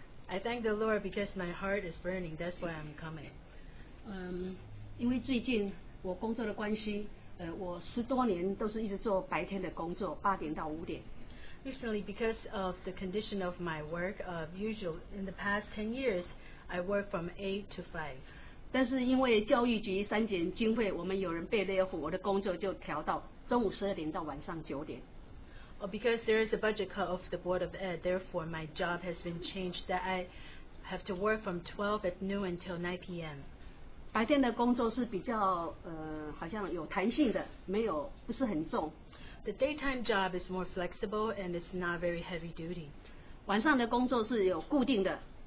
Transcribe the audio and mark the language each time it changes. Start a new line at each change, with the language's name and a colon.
English: I thank the Lord because my heart is burning, that's why I'm coming.
Chinese: 因为最近我工作的关系, 我十多年都是一直做白天的工作, 8点到5点。
English: Recently, because of the condition of my work, in the past 10 years, I work from 8 to 5.
Chinese: 但是因为教育局删减经费, 我们有人被勒服, 我的工作就调到中午12点到晚上9点。
English: Because there is a budget cut of the Board of Ed, therefore my job has been changed that I have to work from 12 at noon until 9 p.m.
Chinese: 白天的工作是比较, 好像有弹性的, 没有, 不是很重。
English: The daytime job is more flexible and it's not very heavy duty.
Chinese: 晚上的工作是有固定的,